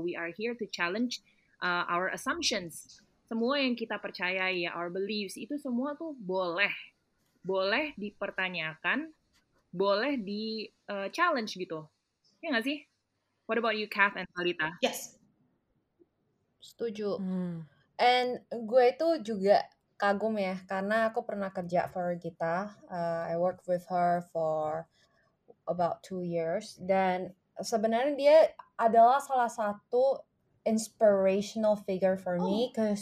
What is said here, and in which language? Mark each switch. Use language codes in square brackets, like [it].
[en] We are here to challenge our assumptions. [id] Semua yang kita percayai, ya, [en] our beliefs, [id] itu semua tuh boleh. Boleh dipertanyakan, boleh di challenge gitu. Ya nggak sih? [en] What about you, Kath and Alita? Yes. [id] Setuju. And gue itu juga kagum ya, karena aku pernah kerja for Gita. [en] I worked with her for about 2 years. [id] Dan sebenarnya dia adalah salah satu [en] inspirational figure for me.